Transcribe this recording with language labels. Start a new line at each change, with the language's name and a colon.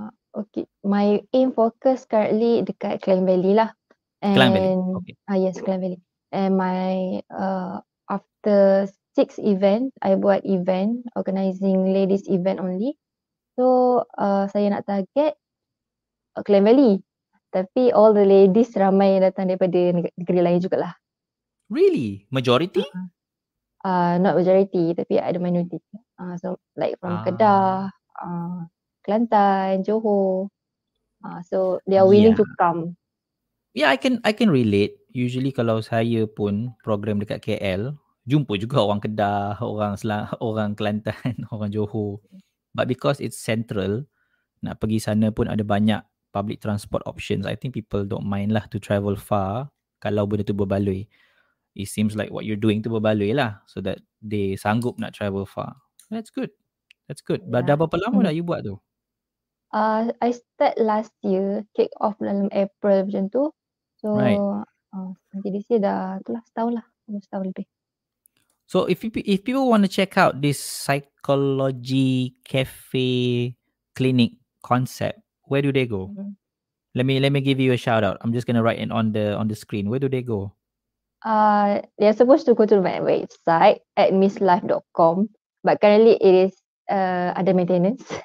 English: Okay, my aim focus currently dekat Klang Valley lah. And, Klang Valley, okay. Yes, Klang Valley. And my after 6 event, I buat event organizing ladies event only.
Malay: So saya nak target Klang Valley. Tapi
English: all the ladies
Malay: ramai yang datang daripada negeri lain jugalah.
English: Really? Majority? Not majority
Malay: tapi ada
English: minority. So like from Kedah, Kelantan, Johor. So they are willing to come. Yeah, I can relate. Usually
Malay: kalau saya pun program dekat KL, jumpa juga orang Kedah, orang Kelantan, orang Johor.
English: But because it's central,
Malay: nak pergi sana pun ada banyak
English: public transport options. I think people don't mind lah to travel far
Malay: kalau benda tu berbaloi.
English: It seems like what you're doing
Malay: tu berbaloi lah.
English: So that they
Malay: sanggup nak
English: travel far. That's good. That's good. Yeah.
Malay: Dah berapa lama dah you buat tu?
English: I start last year. Kick off
Malay: dalam April macam tu. So, jadi saya dah telah setahun lah. Setahun lebih.
English: So, if people want to check out this psychology cafe clinic concept, where do they go? Let me give you a shout out. I'm just going to write it on the screen. Where do they go? They're supposed to go to my website at misslife.com, but currently it is under maintenance.